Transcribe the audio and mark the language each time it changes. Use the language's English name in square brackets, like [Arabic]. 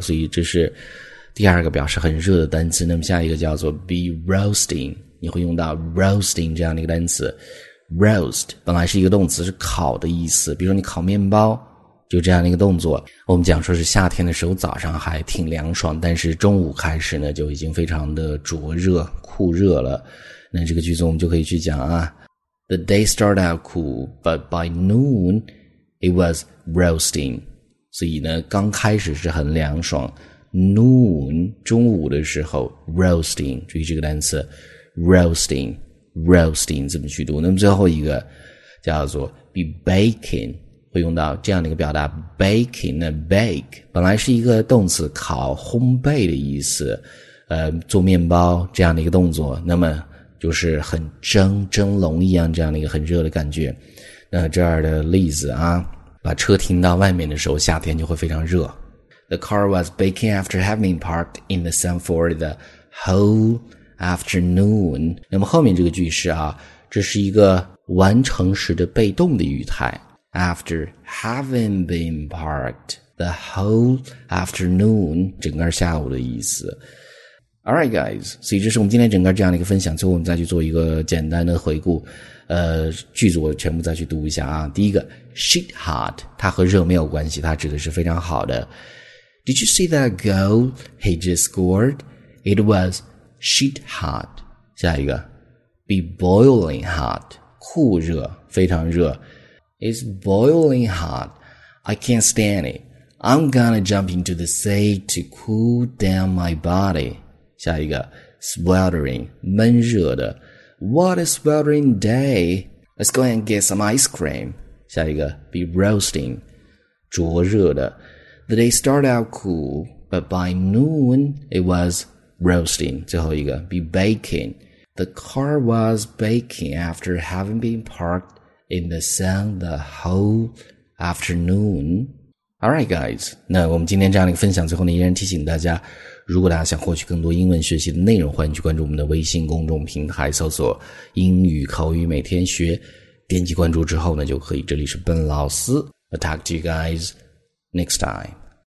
[Chinese] 所以这是第二个表示很热的单词。那么下一个叫做 be roasting, 你会用到 roasting 这样的一个单词。 roast 本来是一个动词，是烤的意思，比如说你烤面包就这样的一个动作。我们讲说是夏天的时候早上还挺凉爽，但是中午开始呢就已经非常的灼热酷热了。那这个句子我们就可以去讲啊， [English] The day started out cool, but by noon it was roasting. [Chinese] 所以呢刚开始是很凉爽， noon 中午的时候 roasting, 注意这个单词 roasting, roasting 怎么去读。那么最后一个叫做 be baking, 会用到这样的一个表达， baking, bake 本来是一个动词，烤烘焙的意思，做面包这样的一个动作，那么就是很蒸笼一样这样的一个很热的感觉。那这儿的例子啊，把车停到外面的时候夏天就会非常热。 [English] The car was baking after having parked in the sun for the whole afternoon. [Chinese] 那么后面这个句式啊，这是一个完成时的被动的语态， [English] After having been parked the whole afternoon, [Chinese] 整个下午的意思。 [English] Alright guys, [Chinese] 所以这是我们今天整个这样的一个分享，最后我们再去做一个简单的回顾，句子我全部再去读一下啊。第一个 shit hot, 它和热没有关系，它指的是非常好的。 [English] Did you see that goal he just scored? It was shit hot. [Chinese] 下一个 be boiling hot, 酷热非常热。 [English] It's boiling hot, I can't stand it. I'm gonna jump into the sea to cool down my body. [Chinese] 下一个 sweltering, 闷热的。 [English] What a sweltering day! Let's go and get some ice cream. [Chinese] 下一个 be roasting, 灼热的。 [English] The day started out cool, but by noon it was roasting. [Chinese] 最后一个 be baking. [English] The car was baking after having been parked in the sun the whole afternoon. Alright guys, [Chinese] 那我们今天这样的一个分享最后呢依然提醒大家，如果大家想获取更多英文学习的内容，欢迎去关注我们的微信公众平台，搜索英语口语每天学，点击关注之后呢就可以，这里是笨老师 [English] I'll talk to you guys next time.